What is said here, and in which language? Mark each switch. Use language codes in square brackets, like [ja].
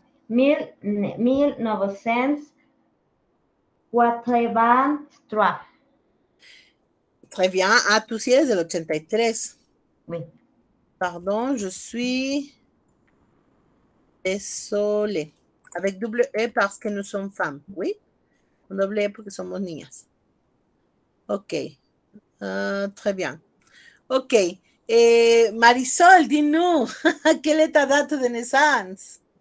[fr] 1983. Très bien. [es] Ah, tu sí es del 83. [fr] Oui. Pardon, je suis désolé. Avec double E parce que nous sommes femmes, oui? [es] Con doble E porque somos niñas. [fr] Ok. Très bien. Ok. Marisol, dis-nous, quelle est ta date de naissance?